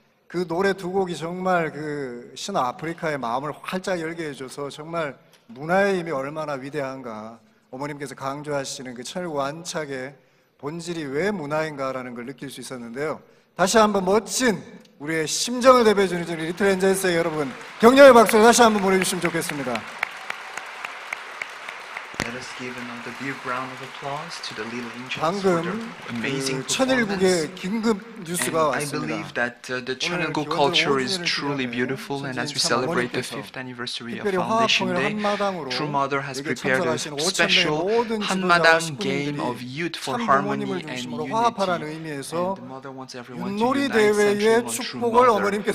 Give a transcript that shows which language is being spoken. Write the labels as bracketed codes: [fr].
[ko] 그 노래 두 곡이 정말 그 신아프리카의 마음을 활짝 열게 해줘서 정말 문화의 힘이 얼마나 위대한가, 어머님께서 강조하시는 그 철관착의 본질이 왜 문화인가라는 걸 느낄 수 있었는데요. 다시 한번 멋진 우리의 심정을 대변해주는 리틀 엔젤스의 여러분, 격려의 박수를 다시 한번 보내주시면 좋겠습니다. [en] Let us give another big round of applause to the little angels. [ko] 방금 그 천일국의 긴급 뉴스가 왔습니다. [en] I believe that the Chonilguk culture is truly beautiful, and as we celebrate the fifth anniversary of Foundation Day, True Mother has prepared a special Hanmadang game of youth for harmony and unity. And the mother wants everyone to unite essentially on True Mother.